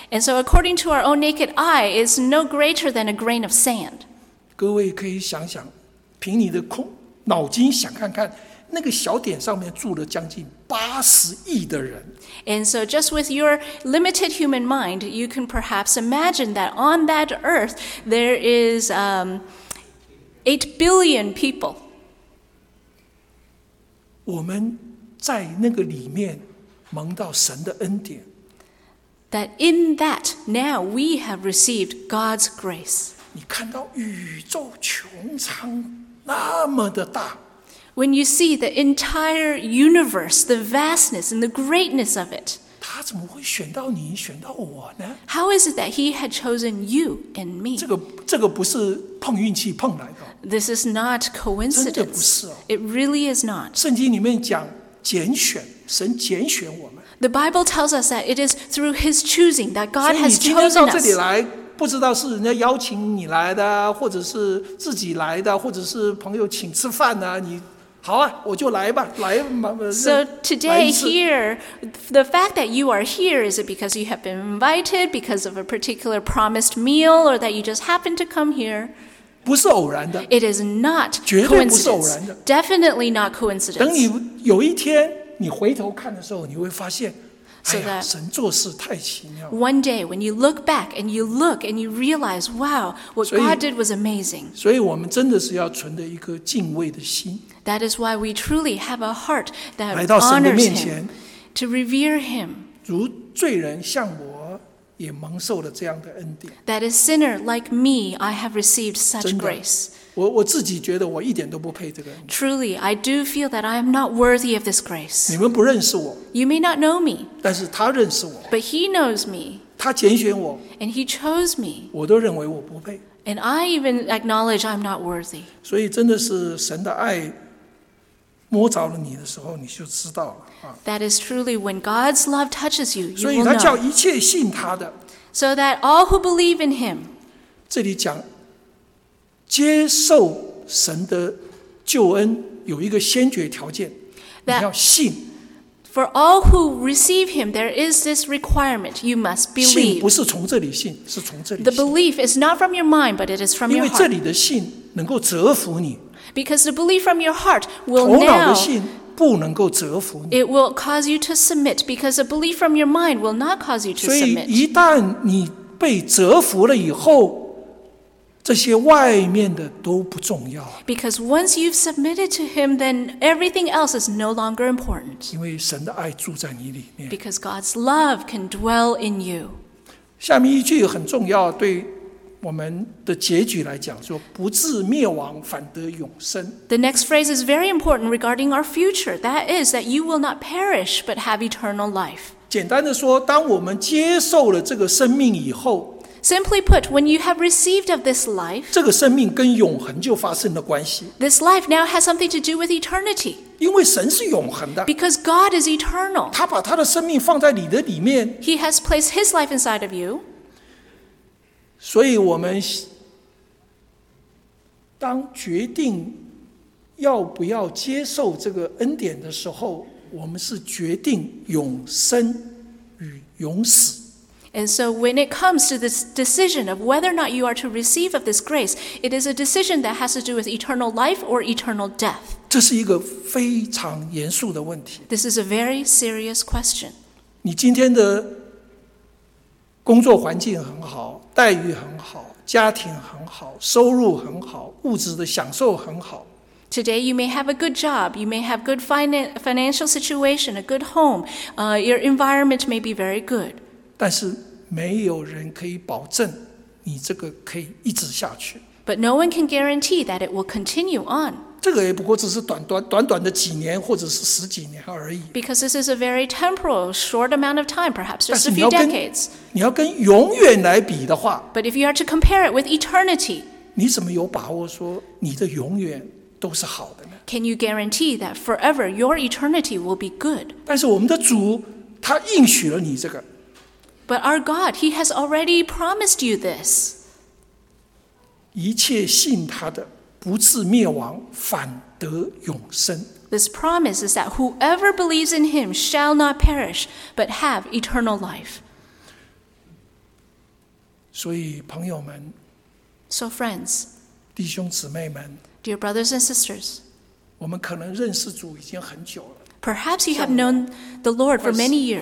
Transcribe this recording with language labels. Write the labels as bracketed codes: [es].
[en] And so according to our own naked eye, it's no greater than a grain of sand. [zh] 各位可以想想，凭你的空脑筋想看看，那个小点上面住了将近80亿的人。 [en] And so just with your limited human mind, you can perhaps imagine that on that earth, there is 8 billion people. [zh] 我们在那个里面蒙到神的恩典。 [en] That in that now we have received God's grace. [zh] 你看到宇宙穹苍那么的大。 [en] When you see the entire universe, the vastness and the greatness of it. [zh] 他怎么会选到你，选到我呢？ [en] How is it that he had chosen you and me? [zh] 这个不是碰运气碰来的。 [en] This is not coincidence. [zh] 真的不是哦。 [en] It really is not. [zh] 圣经里面讲拣选，神拣选我们。 [en] The Bible tells us that it is through his choosing that God has chosen us. [zh] 所以你今天到这里来，不知道是人家邀请你来的，或者是自己来的，或者是朋友请吃饭呢，你好啊，我就来吧，来嘛。 [en] So today here, the fact that you are here, is it because you have been invited, because of a particular promised meal, or that you just happen to come here? [zh] 不是偶然的。 [en] It is not coincidence. [zh] 绝对不是偶然的。 [en] Definitely not coincidence. [zh] 等你有一天你回头看的时候，你会发现，哎呀，神做事太奇妙。 [en] One day when you look back and you look and you realize, wow, what God did was amazing. [zh] 所以我们真的是要存着一颗敬畏的心。 [en] That is why we truly have a heart that honors him. [zh] 来到神的面前。 [en] To revere him. [zh] 如罪人像我也蒙受了这样的恩典。 [en] That a sinner like me, I have received such grace. [zh] 我自己觉得我一点都不配这个恩典。 [en] Truly, I do feel that I am not worthy of this grace. [zh] 你们不认识我。 [en] You may not know me. [zh] 但是他认识我。 [en] But he knows me. [zh] 他拣选我。 [en] And he chose me. [zh] 我都认为我不配。 [en] And I even acknowledge I'm not worthy. [zh] 所以真的是神的爱摸着了你的时候，你就知道了。 [en] That is truly when God's love touches you, you will know. [zh] 所以他叫一切信他的。 [en] So that all who believe in him. [zh] 这里讲接受神的救恩有一个先决条件。 [en] that [zh] 你要信。 [en] For all who receive him, there is this requirement. You must believe. [zh] 信不是从这里信，是从这里信。 [en] The belief is not from your mind, but it is from your heart. [zh] 因为这里的信能够折服你。 [en] Because the belief from your heart will now... [zh] 头脑的信不能够折服你。 [en] It will cause you to submit, because the belief from your mind will not cause you to submit. [zh] 所以一旦你被折服了以后，这些外面的都不重要。 [en] Because once you've submitted to him, then everything else is no longer important. [zh] 因为神的爱住在你里面。 [en] Because God's love can dwell in you. [zh] 下面一句很重要，对我们的结局来讲，说不至灭亡，反得永生。 [en] The next phrase is very important regarding our future. That is that you will not perish, but have eternal life. [zh] 简单的说，当我们接受了这个生命以后， [en] Simply put, when you have received of this life, [zh] 这个生命跟永恒就发生了关系。 [en] This life now has something to do with eternity. [zh] 因为神是永恒的。 [en] Because God is eternal. [zh] 他把他的生命放在你的里面。 [en] He has placed his life inside of you. [zh] 所以我们当决定要不要接受这个恩典的时候，我们是决定永生与永死。 [en] And so when it comes to this decision of whether or not you are to receive of this grace, it is a decision that has to do with eternal life or eternal death. [zh] 这是一个非常严肃的问题。 [en] This is a very serious question. [zh] 你今天的工作环境很好，待遇很好，家庭很好，收入很好，物质的享受很好。 [en] Today you may have a good job, you may have good financial situation, a good home, your environment may be very good. [zh] 但是没有人可以保证你这个可以一直下去。 [en] But no one can guarantee that it will continue on. [zh] 这个也不过只是短短的几年或者是十几年而已。 [en] Because this is a very temporal, short amount of time, perhaps just a few decades. [zh] 你要跟永远来比的话， [en] But if you are to compare it with eternity, [zh] 你怎么有把握说你的永远都是好的呢？ [en] Can you guarantee that forever your eternity will be good? [zh] 但是我们的主他应许了你这个。 [en] But our God, He has already promised you this. [zh] 一切信他的不至灭亡，反得永生。 [en] This promise is that whoever believes in Him shall not perish, but have eternal life. [zh] 所以朋友们 [en] So friends, [zh] 弟兄姊妹们 [en] Dear brothers and sisters, [zh] 我们可能认识主已经很久了 [en] Perhaps you have known the Lord for many years.